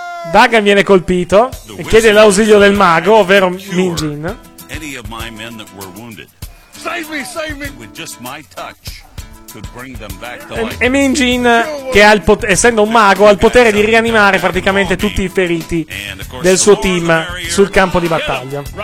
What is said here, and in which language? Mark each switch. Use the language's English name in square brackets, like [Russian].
[Italian] Dagan viene colpito e chiede l'ausilio del mago, ovvero Min Jin. [English] Any of my men that were wounded. Save me. With just my touch could bring them back to life. [Italian] E Min Jin, che ha essendo un mago, ha il potere di rianimare praticamente tutti i feriti del suo team sul campo di battaglia.